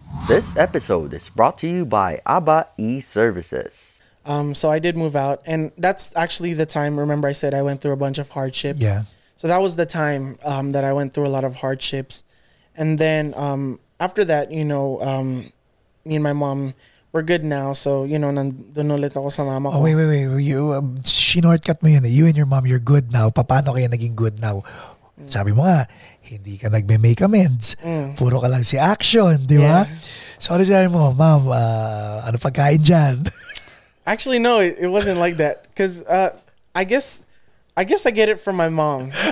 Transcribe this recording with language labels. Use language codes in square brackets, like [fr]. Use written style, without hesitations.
[en] This episode is brought to you by ABBA E-Services. So I did move out. And that's actually the time, remember I said I went through a bunch of hardships? Yeah. So that was the time that I went through a lot of hardships. And then after that, you know, me and my mom, we're good now. So, you know, [tl] nandun ulit ako sa mama ko. [en] Oh, wait. [tl] You, shortcut mo yun. [en] You and your mom, you're good now. [tl] Paano kaya naging [en] good now? [tl] Sabi mo nga, hindi ka nagme-make amends. Mm. Puro ka lang si action, di ba? Yeah. So, ano sabi mo, ma'am, ano pagkain dyan? [en] Actually, no, it wasn't like that. Because I guess I get it from my mom.